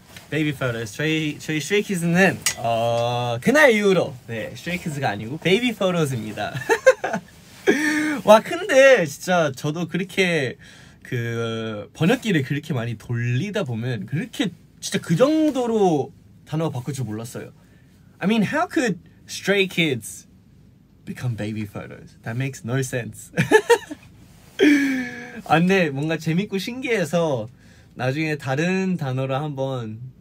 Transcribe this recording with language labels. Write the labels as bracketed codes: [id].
[ko] 베이비 포토스. 저희 스트레이키즈는 그날 이후로 네 스트레이키즈가 아니고 베이비 포토스입니다. 와 근데 진짜 저도 그렇게 그 번역기를 그렇게 많이 돌리다 보면 그렇게 진짜 그 정도로 단어가 바꿀 줄 몰랐어요. [en] I mean, how could Stray Kids become baby photos? That makes no sense. [ko] 아, 근데 뭔가 재밌고 신기해서 나중에 다른 단어를 한번